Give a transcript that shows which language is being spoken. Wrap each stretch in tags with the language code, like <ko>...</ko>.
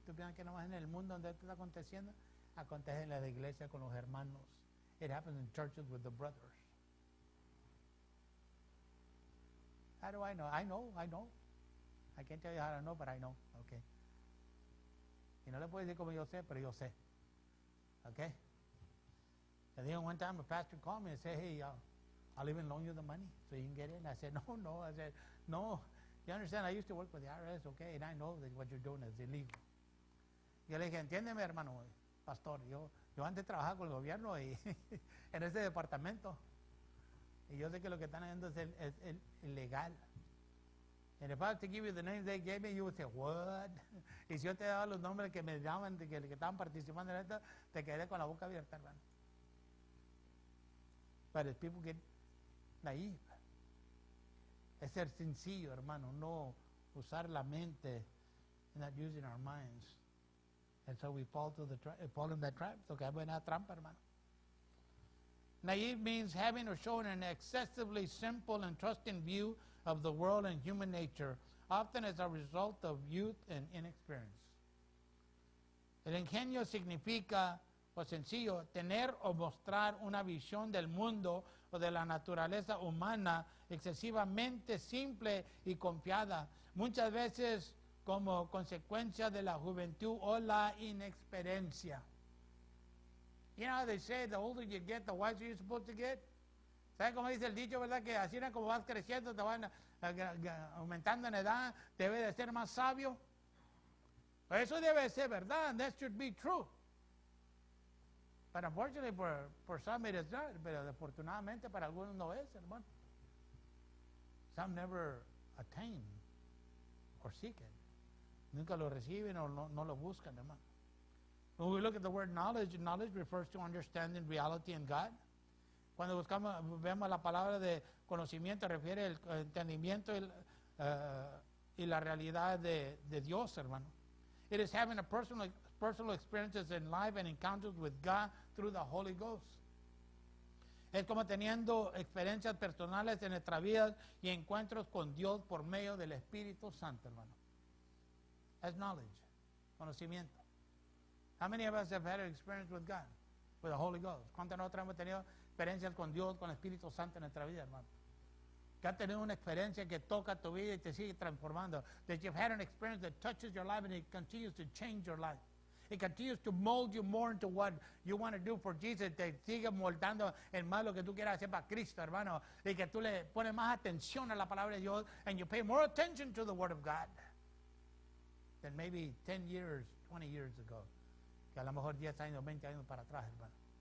<es>¿Tú piensas que no más en el mundo donde esto está aconteciendo? Acontece en la iglesia con los hermanos.</es> <en>It happens in churches with the brothers. How do I know? I know. I can't tell you how I know, but I know. Okay.</en> <es>Y no le puedo decir como yo sé, pero yo sé.</es> <en>Okay. I think one time a pastor called me and said, hey, I'll even loan you the money so you can get in. I said, no. I said, no. You understand, I used to work with the IRS, okay, and I know that what you're doing is illegal.</en> <es>Yo le dije, entiéndeme, hermano, pastor, yo antes trabajaba con el gobierno y en ese departamento. Y yo sé que lo que están haciendo es ilegal.</es> <en>And if I was to give you the names they gave me, you would say, what?</en> <es>Y si yo te daba los nombres que me llaman, que estaban participando en esto, te quedé con la boca abierta, hermano.</es> <en>But if people get naive.</en> <es>Es ser sencillo, hermano, no usar la mente,</es> <en>not using our minds. And so we fall to the fall in that trap. So</en> <es>que buena trampa, hermano.</es> <en>Naive means having or showing an excessively simple and trusting view of the world and human nature, often as a result of youth and inexperience.</en> <es>El ingenio significa, o sencillo, tener o mostrar una visión del mundo o de la naturaleza humana excesivamente simple y confiada, muchas veces como consecuencia de la juventud o la inexperiencia.</es> <en>You know how they say, the older you get, the wiser you're supposed to get?</en> <es>¿Saben cómo dice el dicho, verdad? Que así es como vas creciendo, te van aumentando en edad, debe de ser más sabio. Eso debe ser verdad,</es> <en>that should be true. But unfortunately, for some, it is not.</en> <es>Pero desafortunadamente, para algunos no es, hermano.</es> <en>Some never attain or seek it.</en> <es>Nunca lo reciben o no lo buscan, hermano.</es> <en>When we look at the word knowledge, knowledge refers to understanding reality and God.</en> <es>Cuando buscamos, vemos la palabra de conocimiento, refiere el entendimiento y la realidad de Dios, hermano.</es> <en>It is having a personal experiences in life and encounters with God through the Holy Ghost.</en> <es>Es como teniendo experiencias personales en nuestra vida y encuentros con Dios por medio del Espíritu Santo, hermano.</es> <en>That's knowledge, conocimiento. How many of us have had an experience with God, with the Holy Ghost?</en> <es>¿Cuántas nosotros hemos tenido experiencias con Dios, con el Espíritu Santo en nuestra vida, hermano? Que ha tenido una experiencia que toca tu vida y te sigue transformando.</es> <en>That you've had an experience that touches your life and it continues to change your life. It continues to mold you more into what you want to do for Jesus.</en> <es>Te sigue moldando en más lo que tú quieras hacer para Cristo, hermano. Y que tú le pones más atención a la palabra de Dios</es> <en>and you pay more attention to the word of God than maybe 10 years, 20 years ago.</en> <es>Que a lo mejor 10 años, 20 años para atrás, hermano.</es>